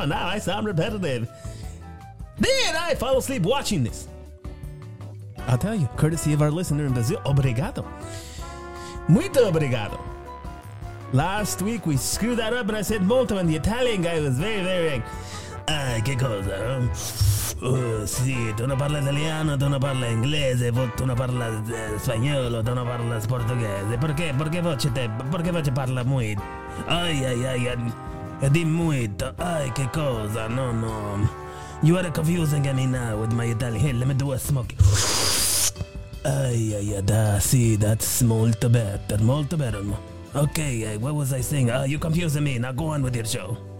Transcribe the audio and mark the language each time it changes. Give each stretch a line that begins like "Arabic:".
English: And now I sound repetitive. Did I fall asleep watching this? I'll tell you, courtesy of our listener in Brazil,
Portuguese: obrigado. Muito obrigado.
English: Last week, we screwed that up, and I said molto, and the Italian guy was very, very like,
Italian: che cosa? Sì, tu non parli italiano, tu non parli inglese, tu non parli spagnolo, tu non parli portoghese. Perché? Perché voce te? Perché voce parla muito? Ai, ai, ai, ai, di muito. Ai, che cosa? No, no.
English: You are confusing me now with my Italian. Hey, let me do a smoke. Ai, ai, ai, da, sì, that's molto better, molto better. Okay, what was I saying? You're confusing me. Now go on with your show.